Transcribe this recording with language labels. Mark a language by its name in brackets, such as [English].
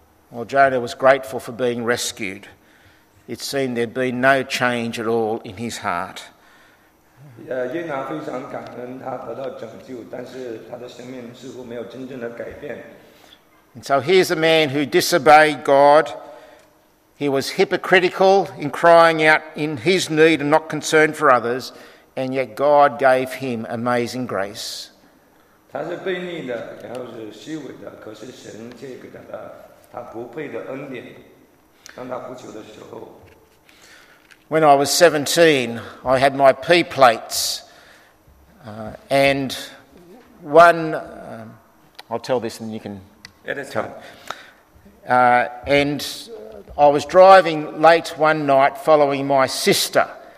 [English] Well, Jonah was grateful for being rescued. It seemed there'd been no change at all in his heart. [Chinese] 约拿非常感恩他得到拯救，但是他的生命似乎没有真正的改变。 [English] And so here's a man who disobeyed God. He was hypocritical in crying out in his need and not concern for others, and yet God gave him amazing grace. [Chinese] 他是悖逆的，然后是虚伪的，可是神借给他的他不配的恩典，当他呼求的时候。 [English] When I was 17, I had my P plates, and one, I'll tell this and you can tell. And... I was driving late one night following my sister.